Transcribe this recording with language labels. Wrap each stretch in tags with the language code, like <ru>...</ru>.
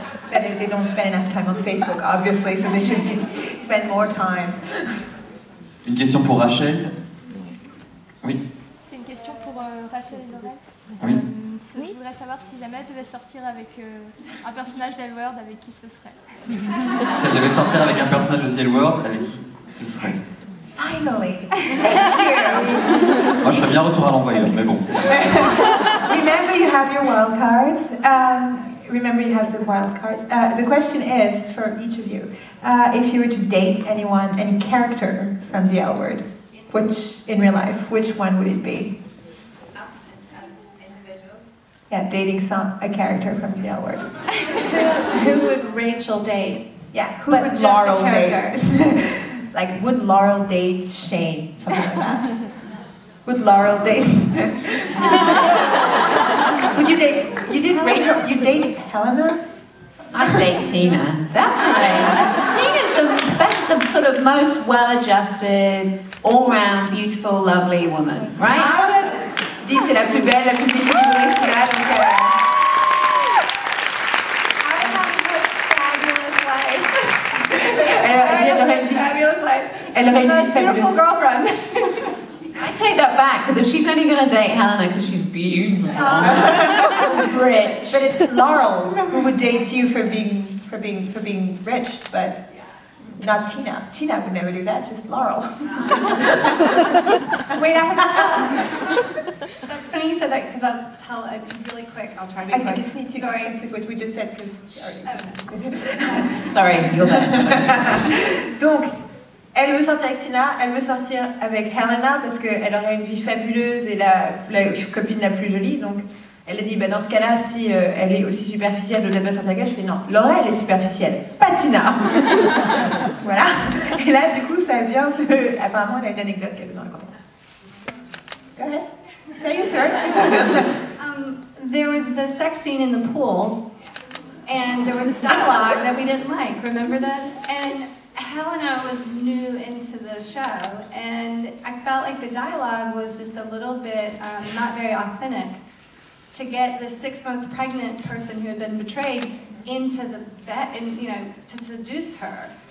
<en>That is, they don't spend enough time on Facebook, obviously, so they should just spend more time.</en> <fr>Une question pour Rachel. Oui. C'est une question pour Rachel et Laurel. Oui. Je voudrais savoir si jamais elle devait sortir avec un personnage d'Hell World, avec qui ce serait. Si elle devait sortir avec un personnage de Hell World, avec qui ce serait.</fr> <en>Finally! Thank you!</en> <fr>Moi, je serais bien retour à l'envoyeur, okay. Mais bon.</fr> <en>Remember you have your wild cards. Remember you have the wild cards. The question is, for each of you, if you were to date anyone, any character from the L word, which, in real life, which one would it be? Us, as individuals? Yeah, dating a character from the L word. Who would Rachel date? Yeah, who but would just Laurel the character? Date? Like, would Laurel date Shane? Something like that. Would Laurel date... Would you date... You did Rachel, you date Helena? I date Tina, definitely. Tina's the sort of most well-adjusted, all-round, beautiful, lovely woman, right?</en> <fr>Dis, c'est la plus belle, la plus difficile, donc...</fr> <en>I have the most fabulous life.</en> <fr>Elle aurait une</fr> <en>fabulous girlfriend. I take that back, because if she's only going to date Helena because she's beautiful, rich. But it's Laurel who would date you for being rich, but not Tina. Tina would never do that, just Laurel. Wait, I have to tell. That's funny you said that, because I'll tell a really quick, I'll try to be I quick. I just need to sorry. Explain what we just said, because... Sorry. Sorry, you're there.</en> <fr>Donc... Elle veut sortir avec Tina, elle veut sortir avec Helena parce qu'elle aurait une vie fabuleuse et la copine la plus jolie. Donc elle a dit, bah dans ce cas-là, si elle est aussi superficielle, peut-être pas sortir avec elle. Je fais, non, Laurel, elle est superficielle, pas Tina. Voilà. Et là, du coup, ça vient de... Apparemment, elle a une anecdote qu'elle veut dans le campagne.</fr> <en>Go ahead. Tell your story. There was the sex scene in the pool and there was dialogue that we didn't like. Remember this? And... Helena was new into the show, and I felt like the dialogue was just a little bit not very authentic to get the six-month pregnant person who had been betrayed into the bed and, you know, to seduce her.</en>